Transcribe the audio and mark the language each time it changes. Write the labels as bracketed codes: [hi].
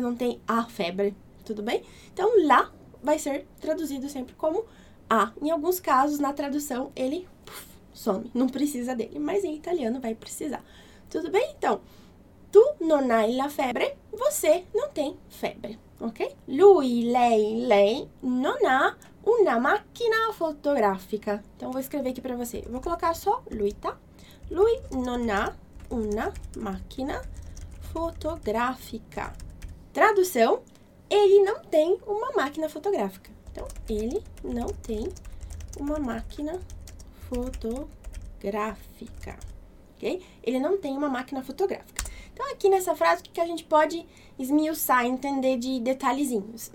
[pt] Não tem a febre, tudo bem? Então, lá vai ser traduzido sempre como a. Em alguns casos, na tradução, ele some, não precisa dele, mas em italiano vai precisar. Tudo bem? Então, [it] tu non hai la febbre, [pt] você não tem febre, ok? [it] Lui, lei, non ha una macchina fotografica. [pt] Então, vou escrever aqui para você. Vou colocar só lui, tá? [it] Lui non ha una macchina fotografica. [pt] Tradução: ele não tem uma máquina fotográfica. Então, ele não tem uma máquina fotográfica. Ok? Ele não tem uma máquina fotográfica. Então, aqui nessa frase, o que que a gente pode esmiuçar, entender de detalhezinhos?